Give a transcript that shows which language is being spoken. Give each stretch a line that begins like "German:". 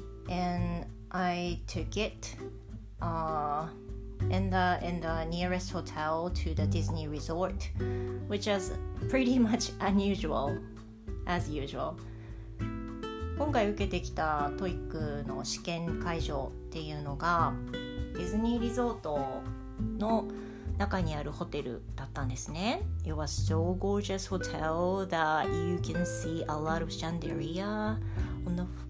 English: And I took it in the nearest hotel to the Disney Resort, which is pretty much unusual, as usual.
Japanese: 今回受けてきた TOEIC の試験会場っていうのがディズニーリゾートの中にあるホテルだったんですね。
English: It was so gorgeous hotel that you can see a lot of chandelier on the